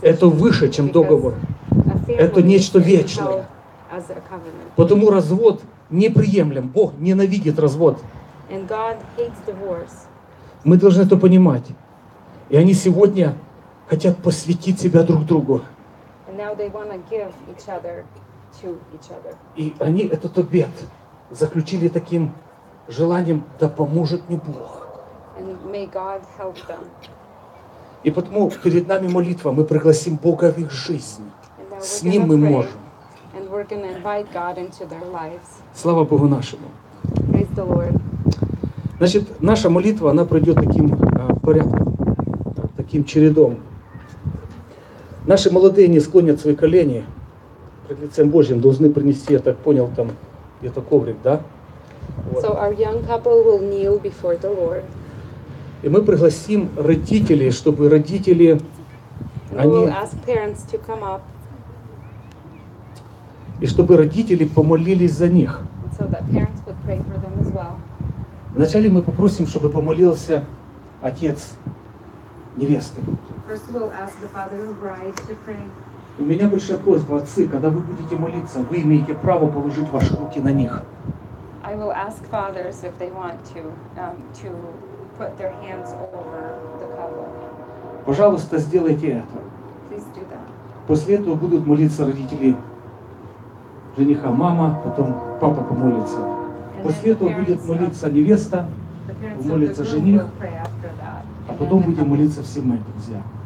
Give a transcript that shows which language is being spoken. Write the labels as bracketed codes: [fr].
[ru] Это выше, чем договор. Это нечто вечное. [en] As a covenant. [ru] Потому развод неприемлем. Бог ненавидит развод. [en] And God hates divorce. [ru] Мы должны это понимать. И они сегодня хотят посвятить себя друг другу. [en] And now they wanna give each other to each other. [ru] И они этот обет заключили таким желанием, да поможет мне Бог. [en] And may God help them. [ru] И потому перед нами молитва, мы пригласим Бога в их жизнь. С Ним мы можем. [en] And we're gonna invite God into their lives. [ru] Слава Богу нашему. [en] Praise the Lord. [ru] Значит, наша молитва, она пройдет таким порядком, таким чередом. Наши молодые не склонят свои колени пред лицем Божьим, должны принести, я так понял, там где-то коврик, да? [en] So our young couple will kneel before the Lord. [ru] И мы пригласим родителей, чтобы родители они... [en] We will ask parents to come up. [ru] И чтобы родители помолились за них. [en] So that parents would pray for them as well. [ru] Вначале мы попросим, чтобы помолился отец невесты. [en] First we'll ask the father of the bride to pray. [ru] У меня большая просьба, отцы, когда вы будете молиться, вы имеете право положить ваши руки на них. [en] I will ask fathers if they want to to put their hands over the couple. [ru] Пожалуйста, сделайте это. [en] Please do that. [ru] После этого будут молиться родители жениха, мама, потом папа помолится. [en] And [ru] после этого будет молиться невеста, помолится жених, а потом будем молиться все мои друзья.